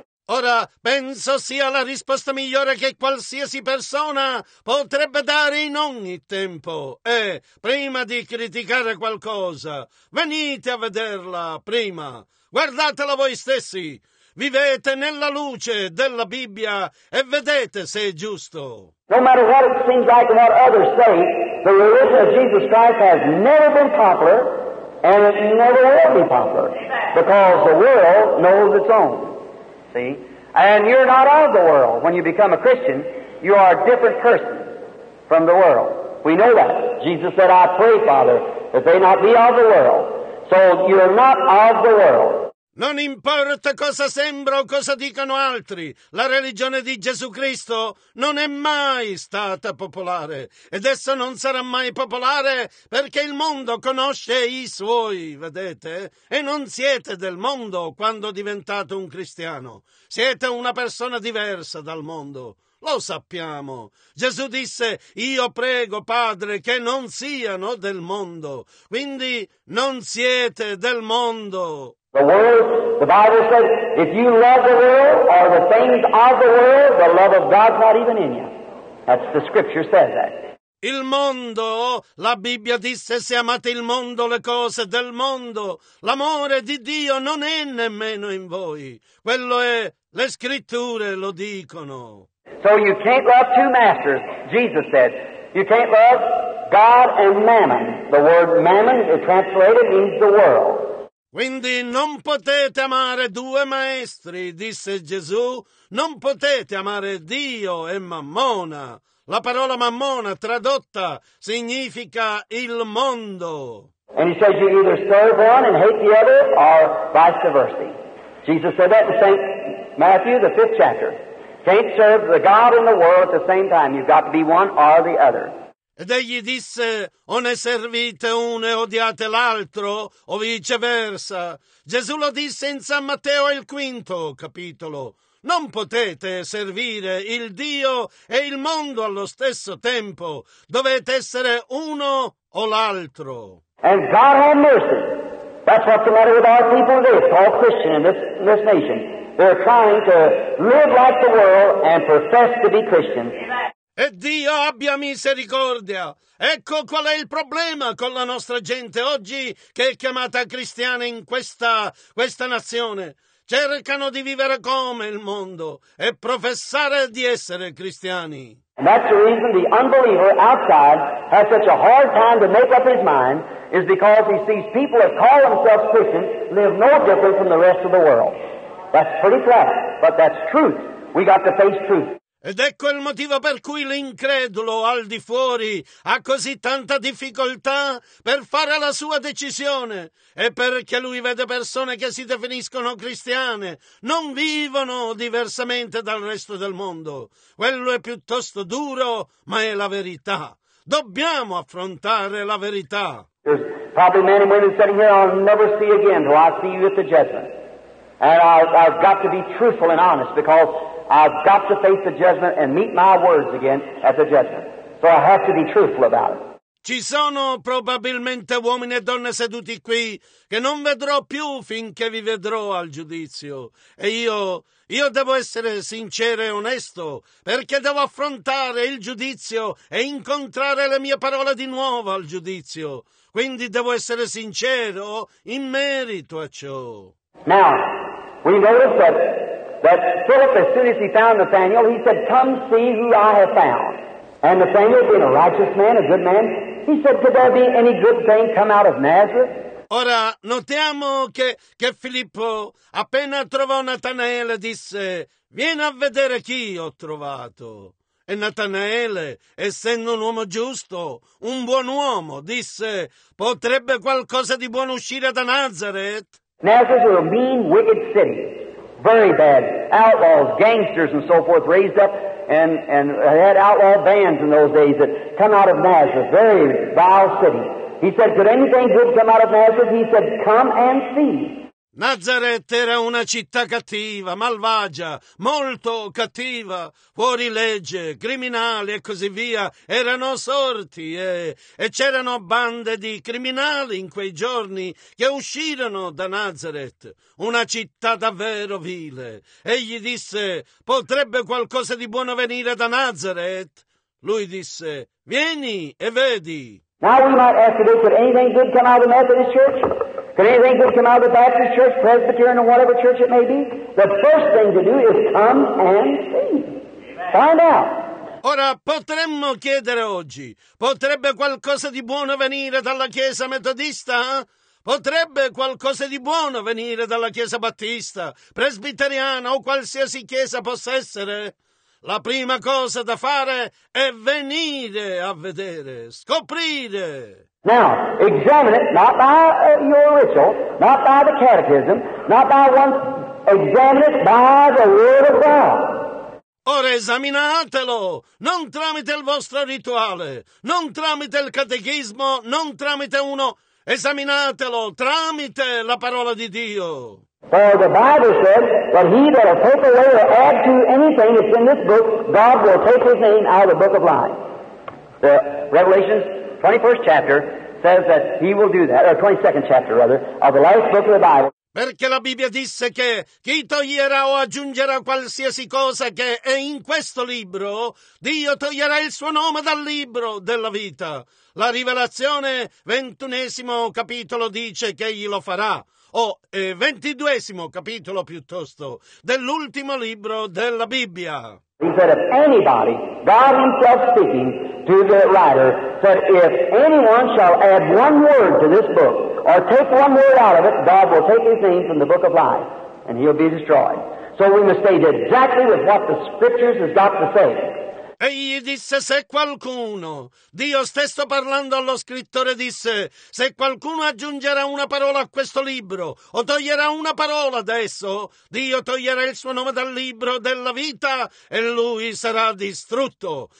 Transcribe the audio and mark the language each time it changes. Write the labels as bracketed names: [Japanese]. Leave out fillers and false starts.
[Italian] Ora penso sia la risposta migliore che qualsiasi persona potrebbe dare in ogni tempo. E prima di criticare qualcosa, venite a vederla prima. Guardatela voi stessi. Vivete nella luce della Bibbia e vedete se è giusto. [English] No matter what it seems like and what others say, the religion of Jesus Christ has never been popular. And it never will be popular, because the world knows its own. See? And you're not of the world. When you become a Christian, you are a different person from the world. We know that. Jesus said, I pray, Father, that they not be of the world. So you're not of the world. [Italian] Non importa cosa sembra o cosa dicano altri, la religione di Gesù Cristo non è mai stata popolare, ed essa non sarà mai popolare perché il mondo conosce i suoi, vedete? E non siete del mondo quando diventate un cristiano. Siete una persona diversa dal mondo. Lo sappiamo. Gesù disse, io prego, Padre, che non siano del mondo. Quindi non siete del mondo. [English] The world, the Bible says, if you love the world or the things of the world, the love of God's not even in you. That's the scripture says that. [Italian] Il mondo, la Bibbia disse, se amate il mondo, le cose del mondo, l'amore di Dio non è nemmeno in voi. Quello è, le scritture lo dicono. [English] So you can't love two masters, Jesus said. You can't love God and mammon. The word mammon is translated means the world. [Italian] Quindi non potete amare due maestri, disse Gesù, non potete amare Dio e Mammona. La parola Mammona tradotta significa il mondo. [English] And he said you either serve one and hate the other, or vice versa. Jesus said that in St. Matthew, the 5th chapter. Can't serve the God and the world at the same time. You've got to be one or the other. [Italian] Ed egli disse, o ne servite uno e odiate l'altro, o viceversa. Gesù lo disse in San Matteo il 5 capitolo. Non potete servire il Dio e il mondo allo stesso tempo. Dovete essere uno o l'altro. [English] And God have mercy. That's what's the matter with our people today, all Christian in this nation. They're trying to live like the world and profess to be Christians. [Italian] E Dio abbia misericordia. Ecco qual è il problema con la nostra gente oggi che è chiamata cristiana in questa nazione. Cercano di vivere come il mondo e professare di essere cristiani. [English] And that's the reason the unbeliever outside has such a hard time to make up his mind, is because he sees people that call themselves Christians live no different from the rest of the world. That's pretty flat, but that's truth. We got to face truth. [Italian] Ed ecco il motivo per cui l'incredulo al di fuori ha così tanta difficoltà per fare la sua decisione. E perché lui vede persone che si definiscono cristiane, non vivono diversamente dal resto del mondo. Quello è piuttosto duro, ma è la verità. Dobbiamo affrontare la verità. [English] There's probably men and women sitting here I'll never see again till I see you at the judgment. And I've got to be truthful and honest because I've got to face the judgment and meet my words again at the judgment. So I have to be truthful about it. [Italian] Ci sono probabilmente uomini e donne seduti qui che non vedrò più finché vi vedrò al giudizio. E io devo essere sincero e onesto perché devo affrontare il giudizio e incontrare le mie parole di nuovo al giudizio. Quindi devo essere sincero in merito a ciò. [English] Now, we notice that Philip, as soon as he found Nathanael, he said, come see who I have found. And Nathanael, being a righteous man, a good man, he said, could there be any good thing come out of Nazareth? [Italian] Ora, notiamo che Filippo, appena trovò Natanaele, disse, vieni a vedere chi ho trovato. E Natanaele, essendo un uomo giusto, un buon uomo, disse, potrebbe qualcosa di buono uscire da Nazareth? [English] Nazareth was a mean, wicked city. Very bad. Outlaws, gangsters and so forth raised up and had outlaw bands in those days that come out of Nazareth. Very vile city. He said, could anything good come out of Nazareth? He said, come and see. [Italian] Nazareth era una città cattiva, malvagia, molto cattiva, fuori legge, criminali e così via, erano sorti e c'erano bande di criminali in quei giorni che uscirono da Nazareth, una città davvero vile. Egli disse, potrebbe qualcosa di buono venire da Nazareth? Lui disse, vieni e vedi. [English] Now we might ask today, could anything good come out of the Methodist Church? Could anything good come out of the Baptist Church, Presbyterian, or whatever church it may be? The first thing to do is come and see. Find out. [Italian] Ora potremmo chiedere oggi, potrebbe qualcosa di buono venire dalla Chiesa Metodista? Potrebbe qualcosa di buono venire dalla Chiesa Battista, Presbiteriana o qualsiasi chiesa possa essere? La prima cosa da fare è venire a vedere, scoprire. [English] Now, examine it, not by your ritual, not by the catechism, not by one, examine it by the word of God. [Italian] Ora esaminatelo, non tramite il vostro rituale, non tramite il catechismo, non tramite uno, esaminatelo tramite la parola di Dio. [English] For the Bible says that he that will take away or add to anything that's in this book, God will take his name out of the book of life. The Revelation 21st chapter says that he will do that, or 22nd chapter rather, of the last book of the Bible. [Italian] Perché la Bibbia disse che chi toglierà o aggiungerà qualsiasi cosa che è in questo libro, Dio toglierà il suo nome dal libro della vita. La Rivelazione 21 capitolo dice che egli lo farà. Ventiduesimo capitolo piuttosto dell'ultimo libro della Bibbia. [English] He said, if anybody, God himself speaking to the writer, said, if anyone shall add one word to this book or take one word out of it, God will take his name from the book of life and he'll be destroyed. So we must stay exactly with what the scriptures has got to say. [Italian] E gli disse, se qualcuno, Dio stesso parlando allo scrittore disse, se qualcuno aggiungerà una parola a questo libro o toglierà una parola da esso, Dio toglierà il suo nome dal libro della vita e lui sarà distrutto.